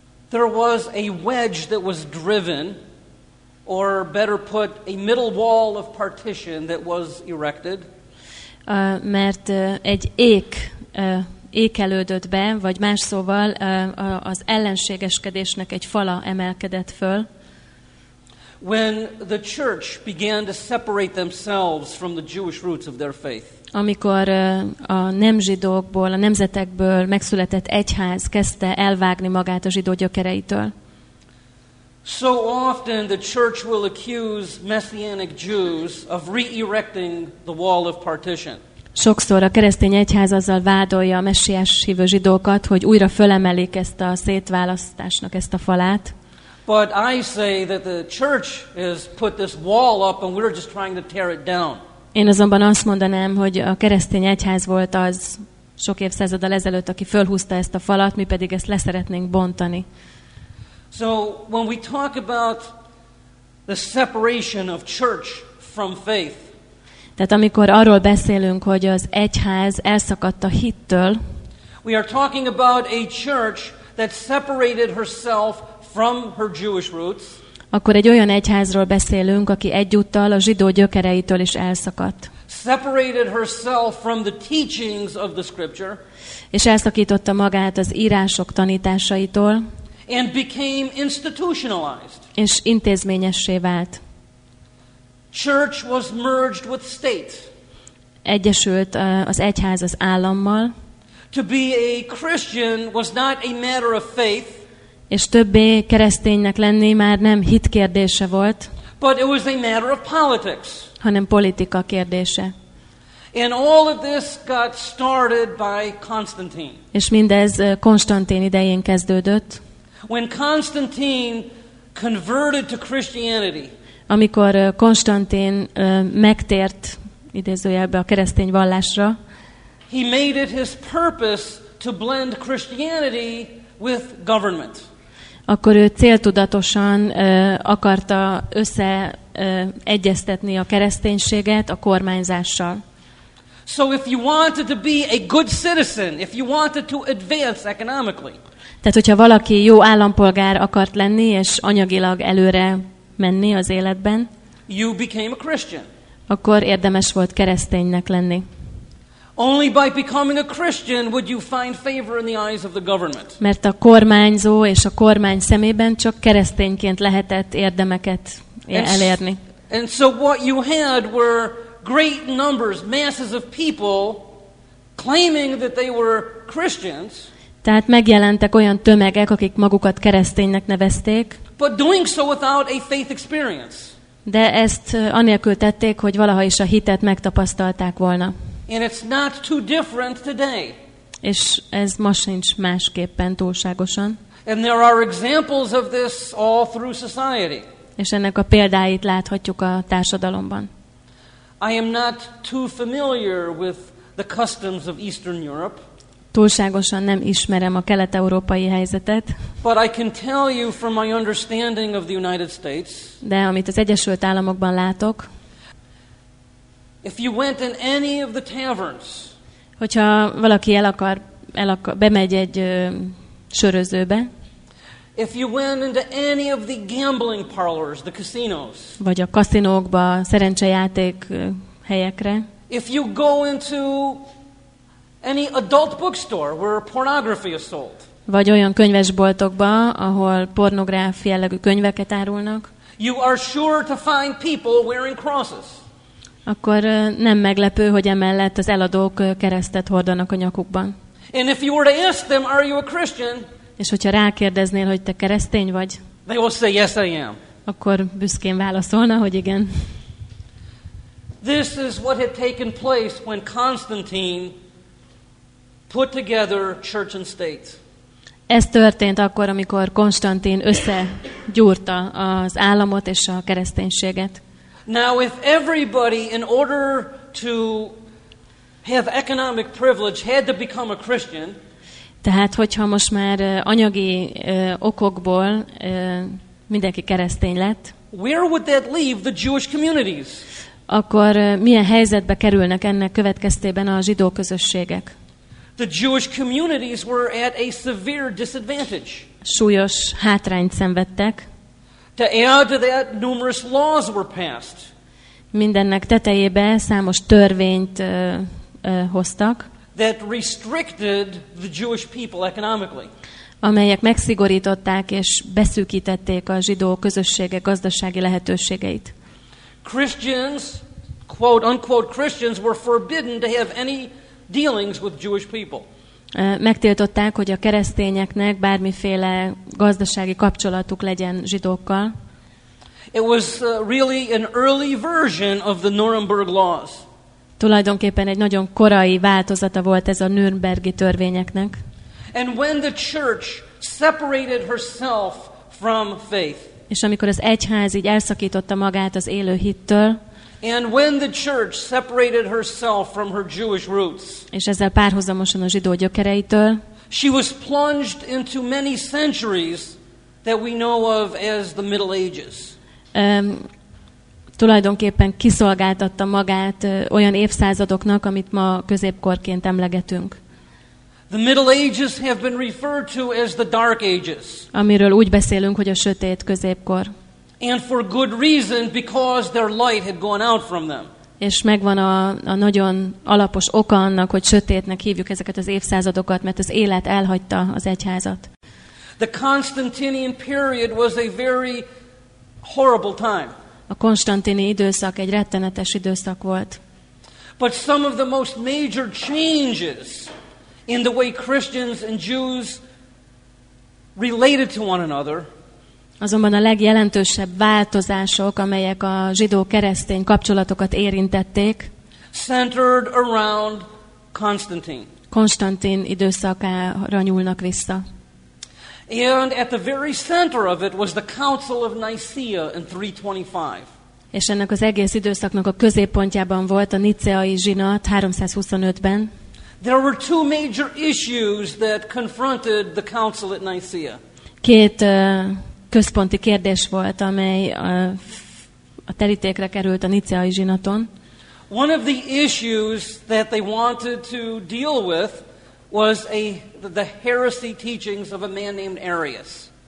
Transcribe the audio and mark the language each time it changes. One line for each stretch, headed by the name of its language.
English: there was a wedge that was driven, or better put, a middle wall of partition that was erected.
Hungarian: Mert egy ék ékelődött be, vagy más szóval az ellenségeskedésnek egy fala emelkedett föl.
English: When the church began to separate themselves from the Jewish roots of their faith.
Hungarian: Amikor a nem zsidókból, a nemzetekből megszületett egyház kezdte elvágni magát a zsidó gyökereitől.
English: So often the church will accuse messianic Jews of re-erecting the wall of partition.
Hungarian: Sokszor a keresztény egyház azzal vádolja a messiás hívő zsidókat, hogy újra fölemelik ezt a szétválasztásnak ezt a falát.
English: But I say that the church has put this wall up and we're just trying to tear it down.
Hungarian: Én azonban azt mondanám, hogy a keresztény egyház volt az sok évszázaddal ezelőtt, aki fölhúzta ezt a falat, mi pedig ezt leszeretnénk bontani.
English: So when we talk about the separation of church from faith.
Hungarian: Tehát amikor arról beszélünk, hogy az egyház elszakadt a hittől.
English: We are talking about a church that separated herself from her Jewish roots.
Hungarian: Akkor egy olyan egyházról beszélünk, aki egyúttal a zsidó gyökereitől is elszakadt.
English: Separated herself from the teachings of the scripture.
Hungarian: És elszakította magát az írások tanításaitól.
English: And became institutionalized.
Hungarian: És intézményessé vált.
English: Church was merged with state.
Hungarian: Egyesült az egyház az állammal.
English: To be a Christian was not a matter of faith.
Hungarian: És többé kereszténynek lenni már nem hit kérdése volt,
English: but it was a matter of politics.
Hungarian: Hanem politika kérdése.
English: And all of this got started by Constantine.
Hungarian: És mindez Konstantin idején kezdődött.
English: When Constantine converted to Christianity.
Hungarian: Amikor Konstantin megtért idézőjelbe a keresztény vallásra,
English: he made it his purpose to blend Christianity with government.
Hungarian: Akkor ő céltudatosan akarta össze egyeztetni a kereszténységet a kormányzással.
English: So if you wanted to be a good citizen, if you wanted to advance economically.
Hungarian: Tehát hogyha valaki jó állampolgár akart lenni és anyagilag előre menni az életben,
English: you became a Christian.
Hungarian: Akkor érdemes volt kereszténynek lenni.
English: Only by becoming a Christian would you find favor in the eyes of the government.
Hungarian: Mert a kormányzó és a kormány szemében csak keresztényként lehetett érdemeket elérni.
English: And so what you had were great numbers, masses of people claiming that they were Christians.
Hungarian: Tehát megjelentek olyan tömegek, akik magukat kereszténynek nevezték.
English: But doing so without a faith experience.
Hungarian: De ezt anélkül tették, hogy valaha is a hitet megtapasztalták volna.
English: And it's not too different today.
Hungarian: És ez ma sincs másképpen túlságosan.
English: And there are examples of this all through society.
Hungarian: És ennek a példáit láthatjuk a társadalomban.
English: I am not too familiar with the customs of Eastern Europe.
Hungarian: Túlságosan nem ismerem a kelet-európai helyzetet.
English: But I can tell you from my understanding of the United States.
Hungarian: De amit az Egyesült Államokban látok.
English: If you went in any of the taverns.
Hungarian: Hogyha valaki el akar bemegy egy sörözőbe.
English: If you went into any of the gambling parlors, the casinos.
Hungarian: Vagy a kaszinókba, szerencsejáték helyekre.
English: If you go into any adult bookstore where pornography is sold.
Hungarian: Vagy olyan könyvesboltokba, ahol pornográfia jellegű könyveket árulnak.
English: You are sure to find people wearing crosses.
Hungarian: Akkor nem meglepő, hogy emellett az eladók keresztet hordanak a nyakukban.
English: And if you were to ask them, are you a Christian?
Hungarian: És hogyha rákérdeznél, hogy te keresztény vagy,
English: they will say, yes, I am.
Hungarian: Akkor büszkén válaszolna, hogy igen.
English: This is what had taken place when Constantine put together church and state.
Hungarian: Ez történt akkor, amikor Konstantin összegyúrta az államot és a kereszténységet.
English: Now if everybody in order to have economic privilege had to become a Christian,
Hungarian: tehát hogyha most már anyagi okokból mindenki keresztény lett,
English: where would that leave the Jewish communities?
Hungarian: Akkor milyen helyzetbe kerülnek ennek következtében a zsidó közösségek?
English: The Jewish communities were at a severe disadvantage.
Hungarian: Súlyos hátrányt szenvedtek.
English: To add to that, numerous laws were passed.
Hungarian: Mindennek tetejébe számos törvényt hoztak.
English: That restricted the Jewish people economically.
Hungarian: Amelyek megszigorították és beszűkítették a zsidó közössége gazdasági lehetőségeit.
English: Christians, quote unquote Christians, were forbidden to have any dealings with Jewish people.
Hungarian: Megtiltották, hogy a keresztényeknek bármiféle gazdasági kapcsolatuk legyen zsidókkal.
English: It was really an early version of the Nuremberg laws.
Hungarian: Tulajdonképpen egy nagyon korai változata volt ez a nürnbergi törvényeknek.
English: And when the church separated herself from faith.
Hungarian: És amikor az egyház így elszakította magát az élő hittől.
English: And when the church separated herself from her Jewish roots.
Hungarian: És ezzel párhuzamosan a zsidó gyökereitől.
English: She was plunged into many centuries that we know of as the Middle Ages.
Hungarian: Tulajdonképpen kiszolgáltatta magát olyan évszázadoknak, amit ma középkorként emlegetünk.
English: The Middle Ages have been referred to as the Dark Ages.
Hungarian: Amiről úgy beszélünk, hogy a sötét középkor.
English: And for good reason, because their light had gone out from them.
Hungarian: És megvan a nagyon alapos oka annak, hogy sötétnek hívjuk ezeket az évszázadokat, mert az élet elhagyta az egyházat.
English: The Constantinian period was a very horrible time.
Hungarian: A konstantini időszak egy rettenetes időszak volt.
English: But some of the most major changes in the way Christians and Jews related to one another.
Hungarian: Azonban a legjelentősebb változások, amelyek a zsidó-keresztény kapcsolatokat érintették,
English: centered around Constantine.
Hungarian: Konstantin időszakára nyúlnak vissza.
English: And at the very center of it was the Council of Nicaea in 325.
Hungarian: És ennek az egész időszaknak a középpontjában volt a Niceai zsinat 325-ben.
English: There were two major issues that confronted the council at Nicaea.
Hungarian: Két központi kérdés volt, amely a terítékre került a Niceai zsinaton.
English: One of the issues that they wanted to deal with was the heresy teachings of a man named Arius.